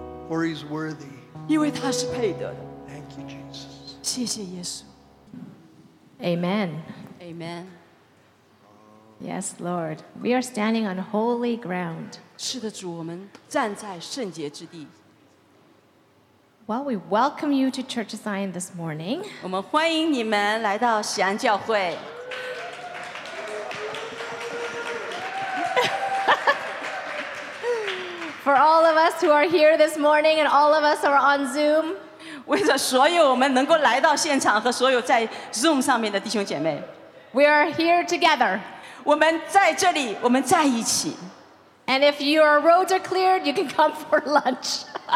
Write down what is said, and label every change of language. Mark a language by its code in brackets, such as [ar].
[en] For he's worthy. [zh] 因为他是配得的。 [en] Thank you, Jesus. [zh] 谢谢耶稣。 [en] Amen. Amen. Yes, Lord. We are standing on holy ground. [zh] 是的，主，我们站在圣洁之地。 [en] Well, we welcome you to Church of Zion this morning. [zh] 我们欢迎你们来到锡安教会。 [en] For all of us who are here this morning and all of us who are on Zoom, [zh] 为了所有我们能够来到现场和所有在Zoom上面的弟兄姐妹, [en] we are here together. [zh] 我们在这里, 我们在一起。 [en] And if your roads are cleared, you can come for lunch.